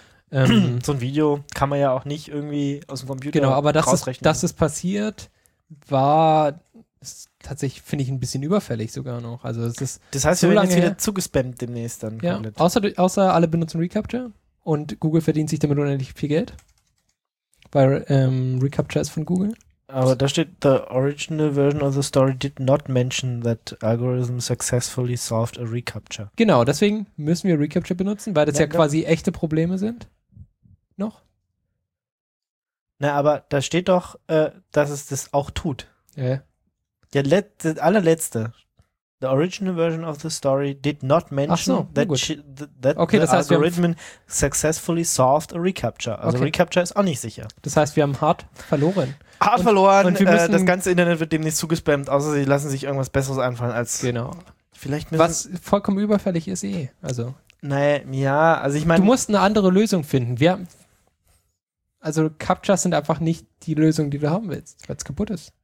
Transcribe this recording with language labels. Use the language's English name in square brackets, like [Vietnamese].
[German] So ein Video kann man ja auch nicht irgendwie aus dem Computer genau, aber dass es passiert, war ist tatsächlich, finde ich, ein bisschen überfällig sogar noch. Also es ist das heißt, so wir werden jetzt wieder zugespammt demnächst dann. Ja, außer alle benutzen Recapture und Google verdient sich damit unendlich viel Geld. Weil Recapture ist von Google. Aber da steht, [English] the original version of the story did not mention that algorithm successfully solved a recapture. [German] Genau, deswegen müssen wir Recapture benutzen, weil das quasi echte Probleme sind. Noch? Na, aber da steht doch, dass es das auch tut. Ja. Ja, das allerletzte. [English] The original version of the story did not mention algorithm successfully solved a recapture. [German] Also okay. Recapture ist auch nicht sicher. Das heißt, wir haben hart verloren. Und wir das ganze Internet wird demnächst zugespammt, außer sie lassen sich irgendwas Besseres einfallen als. Genau. Vielleicht was vollkommen überfällig ist eh. Also. Naja, ja, also ich meine. Du musst eine andere Lösung finden. Also Captchas sind einfach nicht die Lösung, die du haben willst, weil es kaputt ist.